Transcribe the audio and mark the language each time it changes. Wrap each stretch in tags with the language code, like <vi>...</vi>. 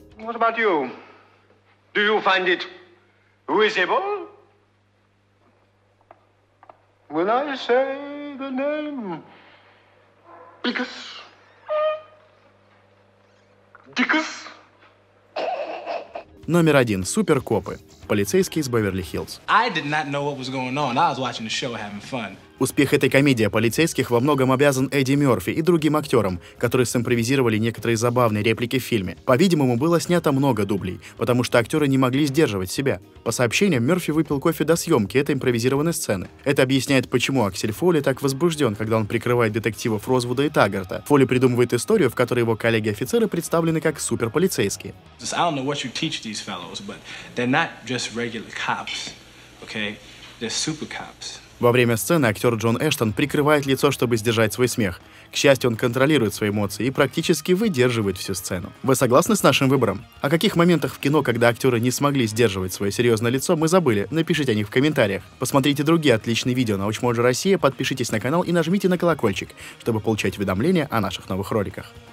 <en>What about you? Do you find it visible? When I say the name, Dickus. Dickus.</en> <ru>Номер 1. Суперкопы. Полицейский из Беверли-Хиллз.</ru> <en>I did not know what was going on. I was watching the show, having fun.</en> <ru>Успех этой комедии о полицейских во многом обязан Эдди Мёрфи и другим актерам, которые симпровизировали некоторые забавные реплики в фильме. По-видимому, было снято много дублей, потому что актеры не могли сдерживать себя. По сообщениям, Мёрфи выпил кофе до съемки этой импровизированной сцены. Это объясняет, почему Аксель Фолли так возбужден, когда он прикрывает детективов Розвуда и Таггарта. Фолли придумывает историю, в которой его коллеги-офицеры представлены как суперполицейские.</ru> <en>I don't know what you teach these fellows, but they're not just regular cops, okay? They're super cops.</en> <ru>Во время сцены актер Джон Эштон прикрывает лицо, чтобы сдержать свой смех. К счастью, он контролирует свои эмоции и практически выдерживает всю сцену. Вы согласны с нашим выбором? О каких моментах в кино, когда актеры не смогли сдерживать свое серьезное лицо, мы забыли? Напишите о них в комментариях. Посмотрите другие отличные видео на Watchmojo Россия, подпишитесь на канал и нажмите на колокольчик, чтобы получать уведомления о наших новых роликах.</ru>